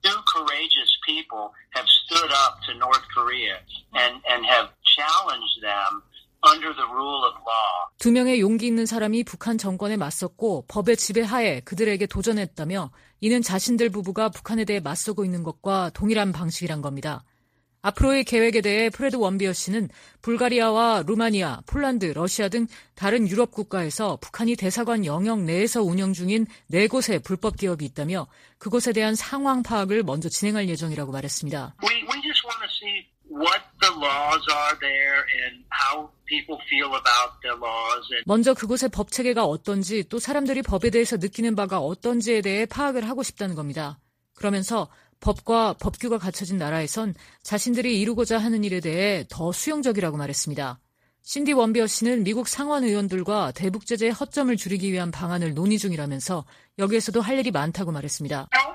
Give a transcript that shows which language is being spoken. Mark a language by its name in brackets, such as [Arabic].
[English] Two courageous people have stood up to North Korea and have challenged them. Under the rule of law. [Korean] 두 명의 용기 있는 사람이 북한 정권에 맞섰고 법의 지배하에 그들에게 도전했다며 이는 자신들 부부가 북한에 대해 맞서고 있는 것과 동일한 방식이란 겁니다. 앞으로의 계획에 대해 프레드 원비어 씨는 불가리아와 루마니아, 폴란드, 러시아 등 다른 유럽 국가에서 북한이 대사관 영역 내에서 운영 중인 네 곳의 불법 기업이 있다며 그곳에 대한 상황 파악을 먼저 진행할 예정이라고 말했습니다. [English] We just want to see what the laws are there and how people feel about the laws. [Korean] 먼저 그곳의 법 체계가 어떤지 또 사람들이 법에 대해서 느끼는 바가 어떤지에 대해 파악을 하고 싶다는 겁니다. 그러면서 법과 법규가 갖춰진 나라에선 자신들이 이루고자 하는 일에 대해 더 수용적이라고 말했습니다. 신디 원비어 씨는 미국 상원 의원들과 대북 제재의 허점을 줄이기 위한 방안을 논의 중이라면서 여기에서도 할 일이 많다고 말했습니다.